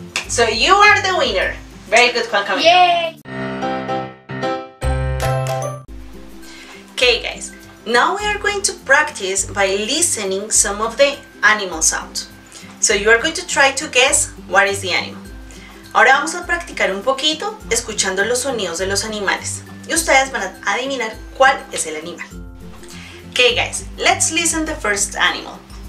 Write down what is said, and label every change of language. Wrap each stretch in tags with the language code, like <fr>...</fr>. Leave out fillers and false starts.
<en>So you are the winner. Very good, Juan Camilo. Yay! Okay, guys. Now we are going to practice by listening some of the animal sounds. So you are going to try to guess what is the animal.</en> <es>Ahora vamos a practicar un poquito escuchando los sonidos de los animales. Y ustedes van a adivinar cuál es el animal.</es> <en>Okay guys, let's listen to the first animal.</en>